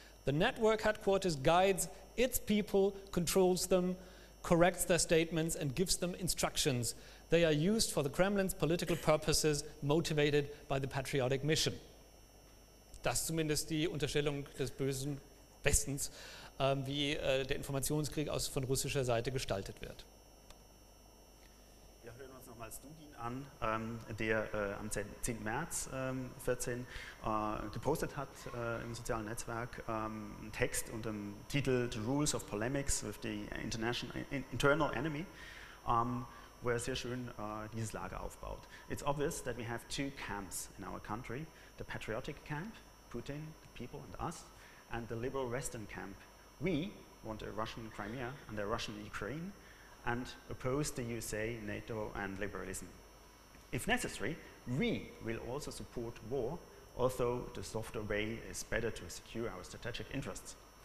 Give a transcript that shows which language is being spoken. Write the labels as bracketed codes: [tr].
[en] The network headquarters guides its people, controls them, corrects their statements and gives them instructions. They are used for the Kremlin's political purposes, motivated by the patriotic mission. [de] Das zumindest die Unterstellung des bösen Westens, wie der Informationskrieg von russischer Seite gestaltet wird. Wir hören uns nochmal. als Dugin an, der am 10. März 2014 gepostet hat im sozialen Netzwerk einen Text unter dem Titel The Rules of Polemics with the Internal Enemy, wo er sehr schön dieses Lager aufbaut. [en] It's obvious that we have two camps in our country, the patriotic camp, Putin, the people and us, and the liberal Western camp. We want a Russian Crimea and a Russian Ukraine, and oppose the USA, NATO and liberalism. If necessary, we will also support war, although the softer way is better to secure our strategic interests.